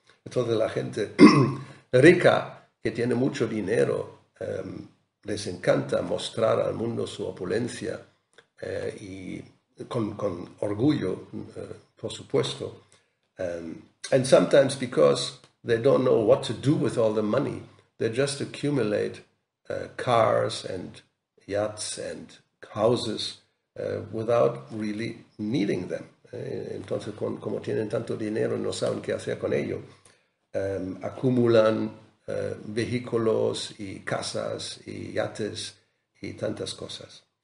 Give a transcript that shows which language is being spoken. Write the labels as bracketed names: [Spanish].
[Spanish] Entonces la gente rica, que tiene mucho dinero, les encanta mostrar al mundo su opulencia y con orgullo, por supuesto. [English] And sometimes because they don't know what to do with all the money, they just accumulate cars and yachts and houses without really needing them. [Spanish] Entonces, como tienen tanto dinero, no saben qué hacer con ello. Acumulan vehículos y casas y yates y tantas cosas.